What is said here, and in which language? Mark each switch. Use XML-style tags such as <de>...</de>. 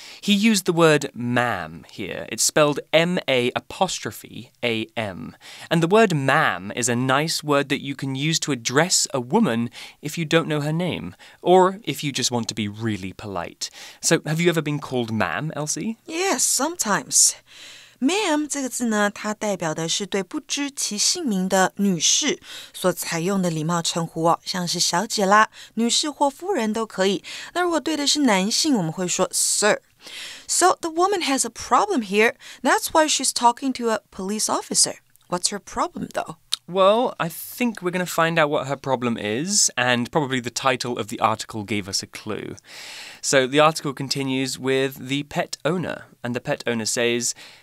<en>He used the word ma'am here. It's spelled M-A-apostrophe-A-M. And the word ma'am is a nice word that you can use to address a woman if you don't know her name, or if you just want to be really polite. So, have you ever been called ma'am, Elsie? Yes, sometimes.</en> <zh>Ma'am 这个字呢，它代表的是对不知其姓名的女士所采用的礼貌称呼哦，像是小姐啦、女士或夫人都可以。那如果对的是男性，我们会说 Sir。</zh> <en>So the woman has a problem here. That's why she's talking to a police officer. What's her problem, though? Well, I think we're going to find out what her problem is, and probably the title of the article gave us a clue. So the article continues with the pet owner, and the pet owner says.</en>